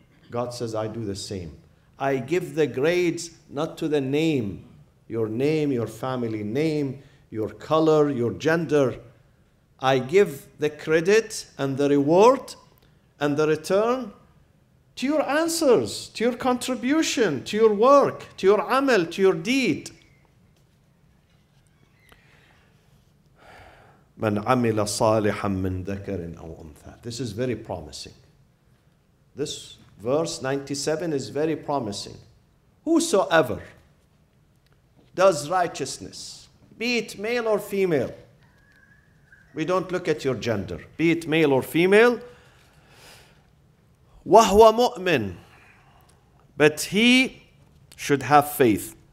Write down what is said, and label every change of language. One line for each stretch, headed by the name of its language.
English: God says, I do the same. I give the grades not to the name, your family name, your color, your gender. I give the credit and the reward and the return to your answers, to your contribution, to your work, to your amal, to your deed.
Arabic: من عمل صالحا من ذكر أو أنثى.
English: This is very promising. This verse 97 is very promising. Whosoever does righteousness, be it male or female, we don't look at your gender, be it male or female,
Arabic: وهو مؤمن,
English: but he should have faith.